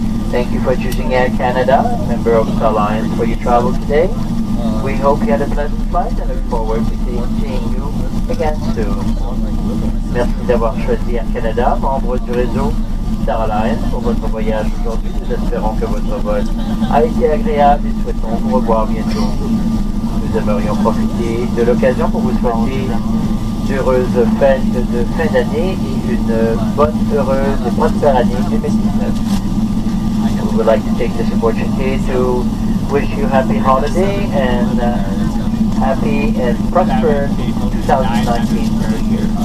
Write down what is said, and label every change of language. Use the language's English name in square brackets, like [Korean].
[English] Thank you for choosing Air Canada, member of the Alliance, for your travel today. We hope you had a pleasant flight and look forward to seeing you again soon. [French] Merci d'avoir choisi Air Canada, membre du réseau Star Alliance, pour votre voyage aujourd'hui. Nous espérons que votre vol a été agréable et souhaitons vous revoir bientôt. Nous aimerions profiter de l'occasion pour vous souhaiter d'heureuses fêtes de fin d'année et une bonne, heureuse et prospère année 2019. [English] We would like to take this opportunity to wish you happy holiday and happy and prosperous 2019 for the year.